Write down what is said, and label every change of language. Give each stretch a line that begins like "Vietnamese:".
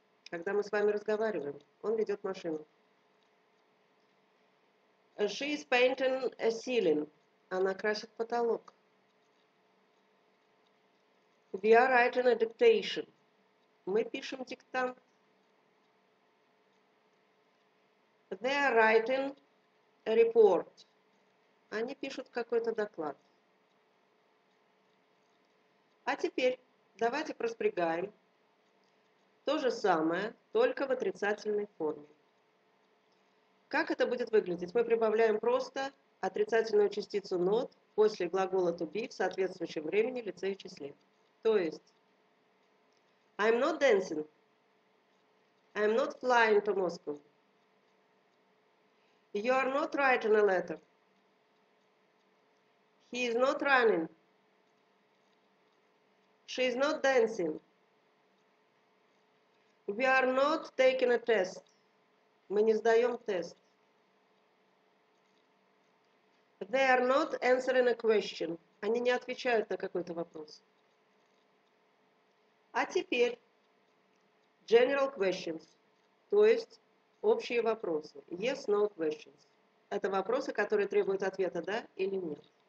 Russian: Когда мы с вами разговариваем, он ведет машину.
English: She is painting a ceiling.
Russian: Она красит потолок.
English: We are writing a dictation.
Russian: Мы пишем диктант.
English: They are writing a report.
Russian: Они пишут какой-то доклад. А теперь давайте проспрягаем то же самое, только в отрицательной форме. Как это будет выглядеть? Мы прибавляем просто отрицательную частицу not после глагола to be в соответствующем времени, лице и числе. То есть,
English: I'm not dancing, I'm not flying to Moscow, you are not writing a letter, he is not running, she is not dancing, we are not taking a test,
Russian: мы не сдаем тест,
English: they are not answering a question,
Russian: они не отвечают на какой-то вопрос. А теперь
English: general questions,
Russian: то есть общие вопросы.
English: Yes, no questions.
Russian: Это вопросы, которые требуют ответа да или нет.